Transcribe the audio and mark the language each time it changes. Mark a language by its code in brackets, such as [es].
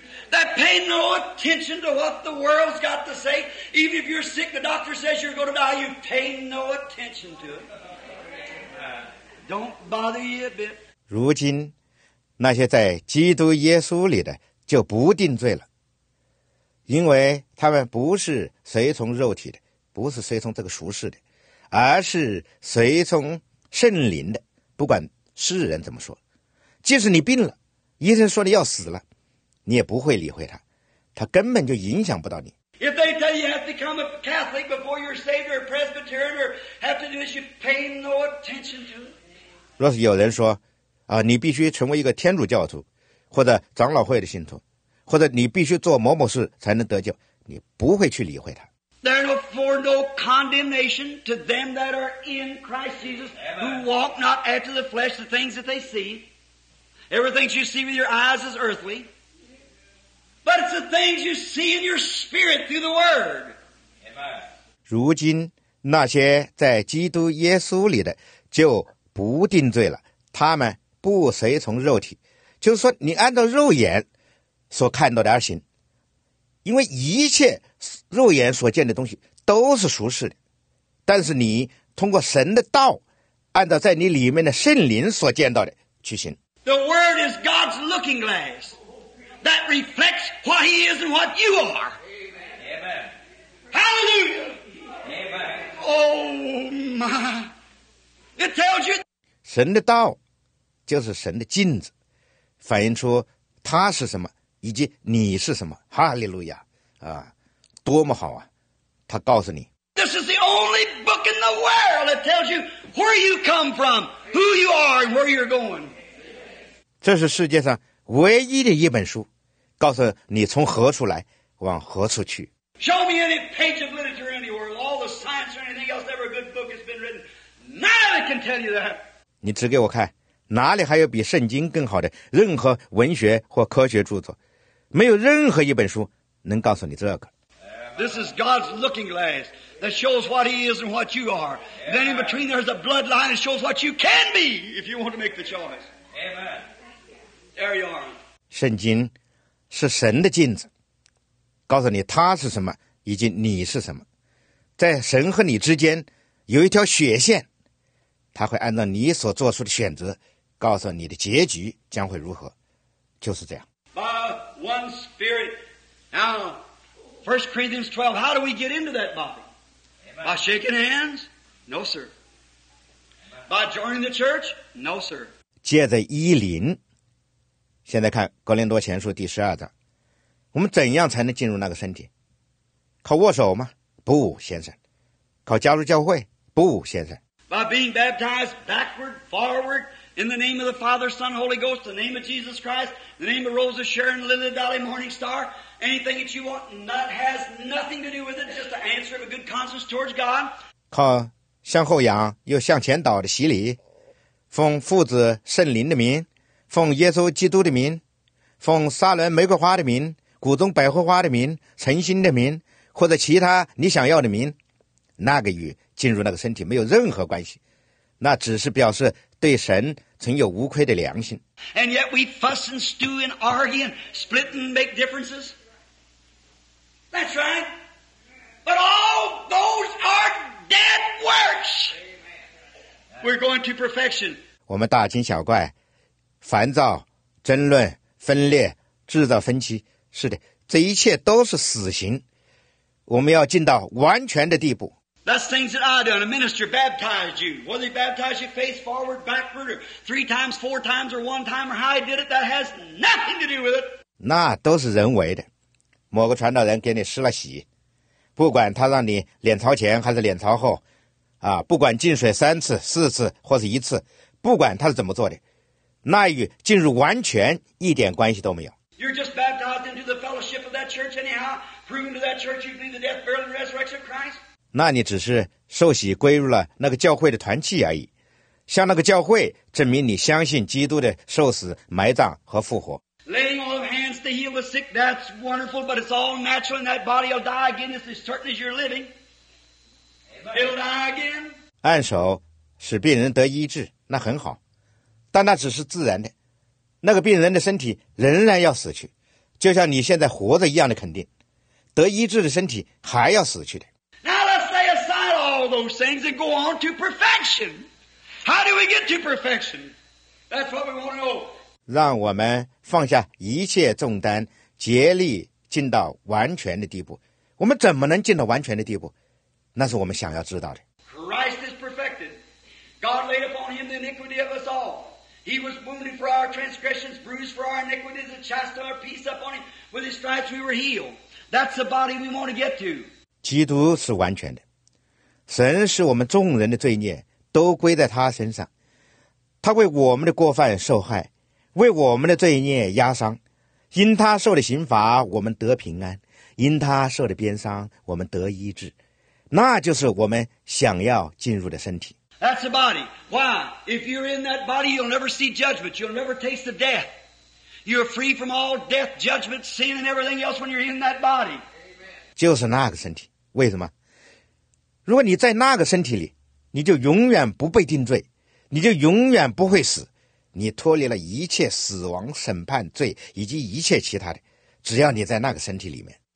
[en] that pay no attention to what the world's got to say. Even if you're sick, the doctor says you're going to die, you pay no attention to it. Don't bother you a bit. [zh] 如今，那些在基督耶稣里的就不定罪了，因为他们不是随从肉体的，不是随从这个俗世的，而是随从圣灵的。不管世人怎么说，即使你病了，医生说你要死了，你也不会理会他，他根本就影响不到你。 [en] If they tell you have to become a Catholic before you're saved or a Presbyterian or have to do this, you pay no attention to it. [zh] 若是有人说，你必须成为一个天主教徒，或者长老会的信徒，或者你必须做某某事才能得救，你不会去理会他。 [en] There are for no condemnation to them that are in Christ Jesus, who walk not after the flesh, the things that they see. Everything you see with your eyes is earthly, but it's the things you see in your spirit through the Word. [zh] 如今那些在基督耶稣里的就不定罪了，他们不随从肉体，就是说你按照肉眼所看到的而行，因为一切肉眼所见的东西都是俗世的，但是你通过神的道，按照在你里面的圣灵所见到的去行。 [en] The word is God's looking glass that reflects what he is and what you are. Amen. Hallelujah. Amen. Oh my. It tells you. [zh] 神的道就是神的镜子，反映出他是什么以及你是什么。哈利路亚啊，多么好啊，他告诉你。 [en] This is the only book in the world that tells you where you come from, who you are, and where you're going. [zh] 这是世界上唯一的一本书，告诉你从何处来，往何处去。 [en] Show me any page of literature anywhere, all the science or anything else, ever a good book has been written. None of it can tell you that. [zh] 你指给我看，哪里还有比圣经更好的任何文学或科学著作？没有任何一本书能告诉你这个。 [en] This is God's looking glass that shows what He is and what you are. Then in between there's a bloodline that shows what you can be if you want to make the choice. Amen. There you are. [zh] 圣经是神的镜子，告诉你他是什么以及你是什么。在神和你之间有一条血线，他会按照你所做出的选择告诉你的结局将会如何，就是这样。 [en] By one spirit. Now, 1 Corinthians 12, how do we get into that body? Amen. By shaking hands? No, sir. Amen. By joining the church? No, sir. [zh] 借着一灵，现在看格林多前书第十二章，我们怎样才能进入那个身体？靠握手吗？不，先生。靠加入教会？不，先生。 [en] By being baptized backward, forward, in the name of the Father, Son, Holy Ghost, the name of Jesus Christ, the name of Rosa Sharon, Lily Dolly, Morning Star, anything that you want, that has nothing to do with it, just the answer of a good conscience towards God. [zh] 靠向后仰又向前倒的洗礼，奉父子圣灵的名，奉耶稣基督的名，奉沙伦玫瑰花的名，谷中百合花的名，诚心的名，或者其他你想要的名，那个与进入那个身体没有任何关系，那只是表示对神存有无愧的良心。 [en] And yet we fuss and stew and argue and split and make differences. That's right. But all those are dead works. We're going to perfection. [zh] 我们大惊小怪，烦躁、争论、分裂、制造分歧，是的，这一切都是死刑。我们要进到完全的地步。 [en] That's things that I've done. A minister baptized you. Whether he baptized you face forward, backward, or three times, four times, or one time, or how he did it, that has nothing to do with it. [zh] 那都是人为的。某个传道人给你施了洗，不管他让你脸朝前还是脸朝后，不管进水三次、四次或是一次，不管他是怎么做的，那与进入完全一点关系都没有。 [en] You're just baptized into the fellowship of that church anyhow, proving to that church you believe the death, burial, and resurrection of Christ. [zh] 那你只是受洗归入了那个教会的团契而已，向那个教会证明你相信基督的受死、埋葬和复活。 [en] Laying all of hands to heal the sick, that's wonderful, but it's all natural, and that body will die again as certain as you're living. It'll die again. [zh] 按手使病人得医治，那很好，但那只是自然的，那个病人的身体仍然要死去，就像你现在活着一样的肯定，得医治的身体还要死去的。 [en] Now let's lay aside all those things and go on to perfection. How do we get to perfection? That's what we want to know. [zh] 让我们放下一切重担，竭力进到完全的地步。我们怎么能进到完全的地步？那是我们想要知道的。 [en] Christ is perfected. God laid upon him the iniquity of us all. He was wounded for our transgressions, bruised for our iniquities, and chastised our peace upon him. With his stripes we were healed. That's the body we want to get to. [zh] 基督是完全的，神使我们众人的罪孽都归在他身上，他为我们的过犯受害，为我们的罪孽压伤，因他受的刑罚我们得平安，因他受的鞭伤我们得医治，那就是我们想要进入的身体。 [en] That's the body. Why? If you're in that body, you'll never see judgment. You'll never taste the death. You're free from all death, judgment, sin, and everything else when you're in that body. [zh] 就是那个身体。为什么？如果你在那个身体里，你就永远不被定罪，你就永远不会死，你脱离了一切死亡、审判、罪以及一切其他的，只要你在那个身体里面。